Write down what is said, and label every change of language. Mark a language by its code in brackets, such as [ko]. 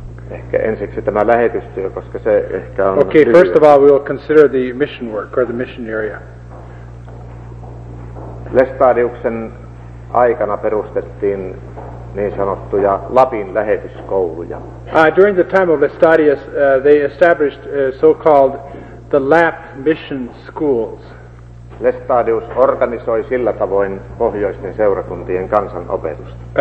[fi] Ehkä ensiksi tämä lähetystyö, koska se ehkä on... [en] Okay, first of all, we will consider the mission work or the mission area. [fi] Lestadiuksen aikana perustettiin niin sanottuja Lapin lähetyskouluja. [en] During the time of Lestadius, they established so-called the Lap mission schools. [fi] Lestadius organisoi sillä tavoin pohjoisten seurakuntien kansanopetusta.